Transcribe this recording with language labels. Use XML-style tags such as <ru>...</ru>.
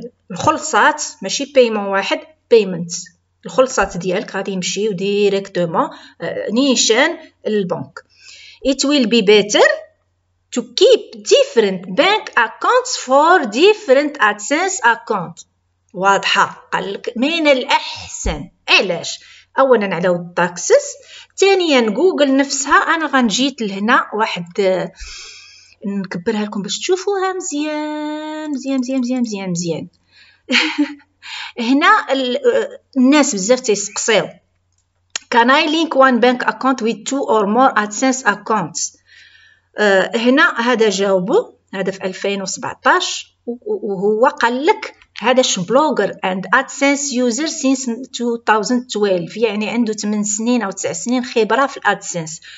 <ar>الخلصات ماشي payment واحد، payments الخلصات ديالك غادي يمشيو ديريكتومون نيشان البنك.</ar> <en>It will be better to keep different bank accounts for different AdSense accounts.</en> <ar>واضحة، قال لك من الأحسن. علاش؟ أولا على ود التاكسس، ثانيا جوجل نفسها. أنا غنجيت لهنا واحد نكبرها لكم باش تشوفوها مزيان مزيان مزيان مزيان مزيان مزيان. هنا الناس بزاف تيسقسيو،</ar> <en>can I link one bank account with two or more AdSense accounts؟</en> <ar>هنا هذا جاوبه، هذا في 2017، وهو قال لك هذا بلوجر</ar> <en>and AdSense user since 2012،</en> <ar>يعني عنده 8 سنين أو 9 سنين خبرة في AdSense.</ar>